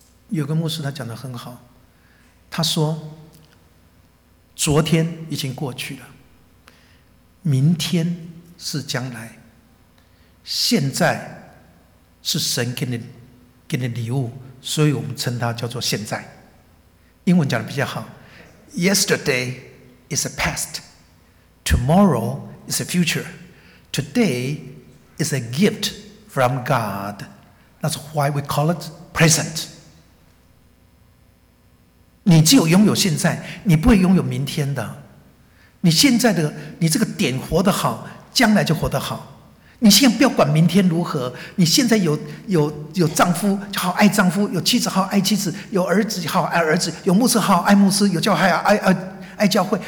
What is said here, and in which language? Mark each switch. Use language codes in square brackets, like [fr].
[zh] 有个牧师他讲得很好，他说昨天已经过去了，明天是将来，现在是神给你礼物，所以我们称它叫做现在。英文讲的比较好， [en] Yesterday is a past, Tomorrow is a future, Today is a gift from God. That's why we call it present. [zh] 你只有拥有现在，你不会拥有明天的。你现在的你这个点活得好，将来就活得好。你现在不要管明天如何，你现在有丈夫就好爱丈夫，有妻子好爱妻子，有儿子好爱儿子，有牧师好爱牧师，有教会爱教会。